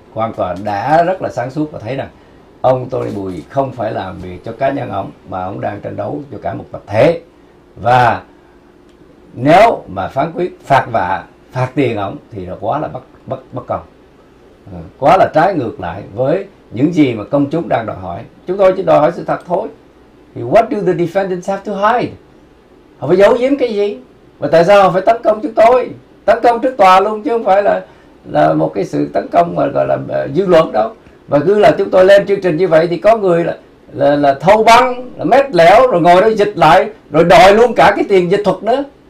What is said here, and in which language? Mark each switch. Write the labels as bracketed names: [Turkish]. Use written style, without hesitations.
[Vietnamese] Quan tòa đã rất là sáng suốt và thấy rằng ông Tony Bùi không phải làm việc cho cá nhân ông, mà ông đang tranh đấu cho cả một tập thể. Và nếu mà phán quyết phạt vạ, phạt tiền ông thì là quá là bất công, quá là trái ngược lại với những gì mà công chúng đang đòi hỏi. Chúng tôi chỉ đòi hỏi sự thật thôi. [English] Thì what do the defendants have to hide? [Vietnamese] Họ phải giấu giếm cái gì? Và tại sao họ phải tấn công chúng tôi? Tấn công trước tòa luôn chứ không phải là một cái sự tấn công mà gọi là dư luận đâu. Và cứ là chúng tôi lên chương trình như vậy thì có người là thâu băng, là mét lẻo rồi ngồi đó dịch lại, rồi đòi luôn cả cái tiền dịch thuật nữa.